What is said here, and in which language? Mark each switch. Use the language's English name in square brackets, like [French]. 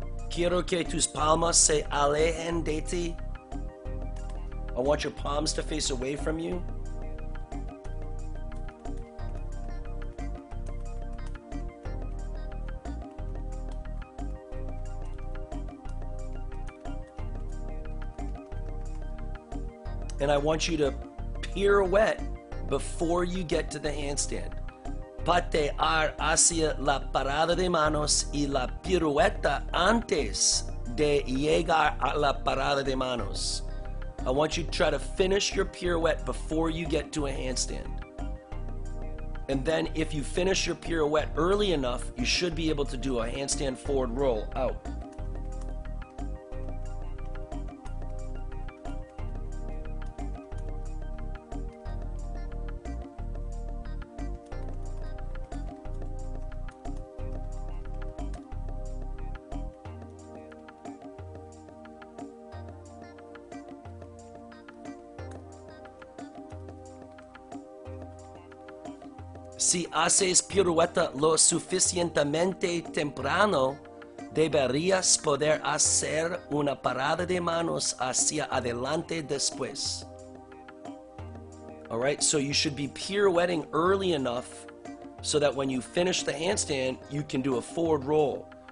[Spanish] Quiero que tus palmas se alejen de ti. [English] I want your palms to face away from you. And I want you to pirouette before you get to the handstand. [Spanish] Patear hacia la parada de manos y la pirueta antes de llegar a la parada de manos. [English] I want you to try to finish your pirouette before you get to a handstand. And then if you finish your pirouette early enough, you should be able to do a handstand forward roll out. [Spanish] Si haces pirueta lo suficientemente temprano, deberías poder hacer una parada de manos hacia adelante después. [English] All right, so you should be pirouetting early enough so that when you finish the handstand, you can do a forward roll.